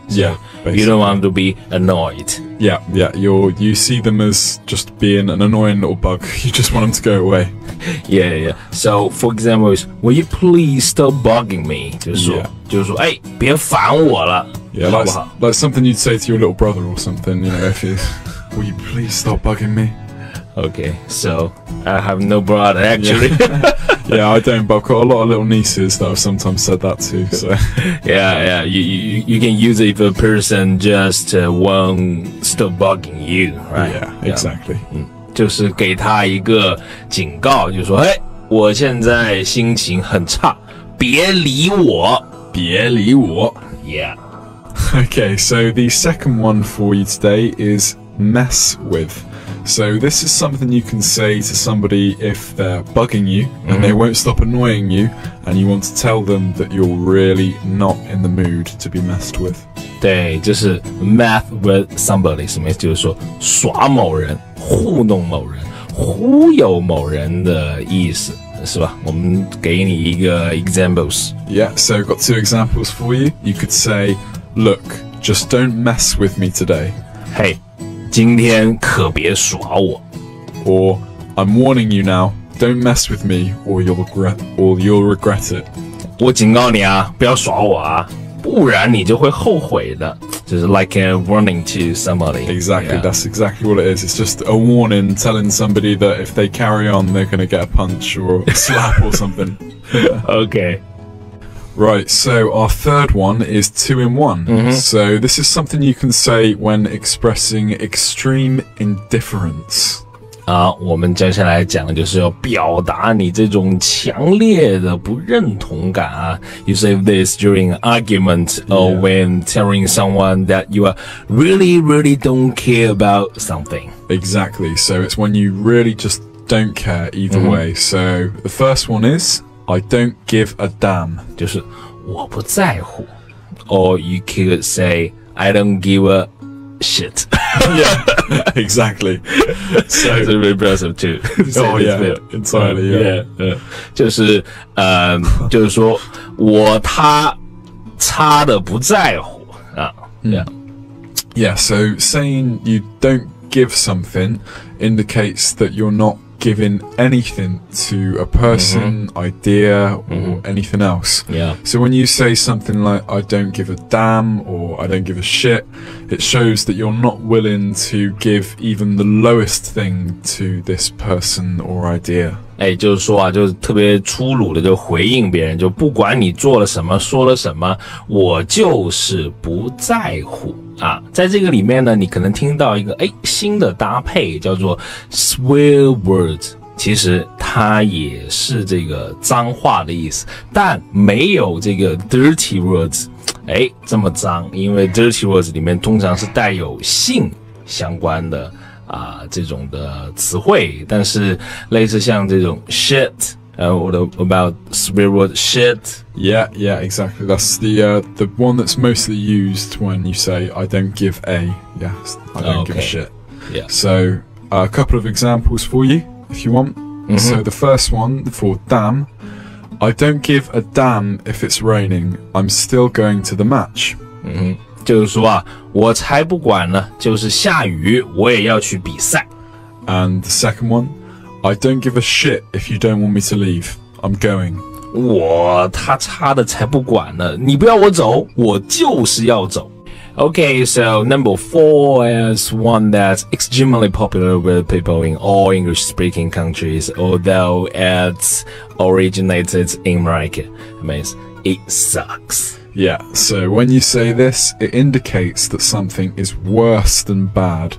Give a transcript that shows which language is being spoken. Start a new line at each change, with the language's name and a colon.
English: So yeah, basically. You don't want to be annoyed. Yeah, you see them as just being an annoying little bug, you just want them to go away. Yeah. So, for example, is will you please stop bugging me?
Chinese: 就是说，哎，别烦我了，好不好？
English: Like something you'd say to your little brother or something, you know, if he's, will you please stop bugging me? Okay, so, I have no brother, actually. Yeah, I don't, but I've got a lot of little nieces that I've sometimes said that to, so. Yeah, you can use it if a person just won't stop bugging you, right? Yeah, exactly. Yeah.
Chinese: 就是给他一个警告，就是说，哎，我现在心情很差，别理我。
English: Yeah. Okay, so the second one for you today is mess with. So this is something you can say to somebody if they're bugging you and they won't stop annoying you and you want to tell them that you're really not in the mood to be messed with.
Chinese: 对，就是
English: mess with somebody,
Chinese: 什么意思？就是说耍某人，糊弄某人，忽悠某人的意思，是吧？我们给你一个 examples.
English: Yeah, so I've got two examples for you. You could say, look, just don't mess with me today.
Chinese: Hey, 今天可别耍我。
English: Or, I'm warning you now, don't mess with me or you'll regret it.
Chinese: 我警告你啊，不要耍我啊。不然你就会后悔的，就是
English: like a warning to somebody. Exactly, that's exactly what it is. It's just a warning telling somebody that if they carry on, they're going to get a punch or a slap or something. Okay. Right, so our third one is two in one. So this is something you can say when expressing extreme indifference.
Chinese: 我们接下来讲的就是要表达你这种强烈的不认同感啊。
English: You say this during an argument or when telling someone that you are really, really don't care about something. Exactly. So it's when you really just don't care either way. So the first one is, I don't give a damn.
Chinese: 就是我不在乎。
English: Or you could say, I don't give a shit. Yeah, exactly. So it's a bit impressive too. Oh yeah, entirely. Yeah.
Chinese: 就是就是说我他擦的不在乎啊。
English: Yeah. So saying you don't give something indicates that you're not giving anything to a person, idea, or anything else. Yeah. So when you say something like, I don't give a damn, or I don't give a shit, it shows that you're not willing to give even the lowest thing to this person or idea.
Chinese: 哎，就是说啊，就是特别粗鲁的就回应别人，就不管你做了什么，说了什么，我就是不在乎啊。在这个里面呢，你可能听到一个新的搭配叫做 swear words， 其实它也是这个脏话的意思，但没有这个 dirty words， 这么脏，因为 dirty words 里面通常是带有性相关的。这种的词汇，但是类似像这种 shit，
English: what about swear word shit? Yeah, yeah, exactly. That's the one that's mostly used when you say I don't give a, give a shit. Yeah. So, a couple of examples for you, if you want. So the first one for damn, I don't give a damn if it's raining. I'm still going to the match. Mm-hmm.
Chinese: 就是说啊，我才不管呢，就是下雨我也要去比赛。
English: And the second one, I don't give a shit if you don't want me to leave. I'm going.
Chinese: 我他差的才不管呢，你不要我走，我就是要走。
English: Okay, so number four is one that's extremely popular with people in all English-speaking countries, although it originated in America. It means it sucks. Yeah, so when you say this, it indicates that something is worse than bad.